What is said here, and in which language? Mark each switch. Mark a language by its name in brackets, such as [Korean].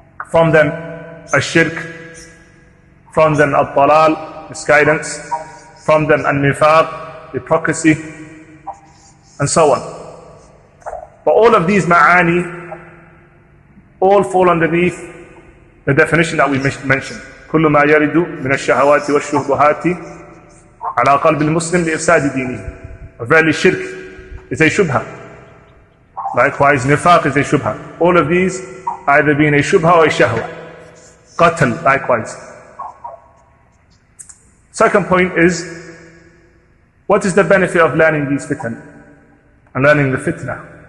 [English] From them, الشرك, from them, الضلال, misguidance, from them, النفاق, hypocrisy, and so on. But all of these ma'ani all fall underneath the definition that we mentioned. [Arabic] كل ما يرد من الشهوات والشبهات على قلب المسلم لإفساد دينه. [English] Verily, shirk is a shubha. Likewise, nifaq is a shubha. All of these either being a shubha or a shahwa. Qatl, likewise. Second point is, what is the benefit of learning these fitan and learning the fitna?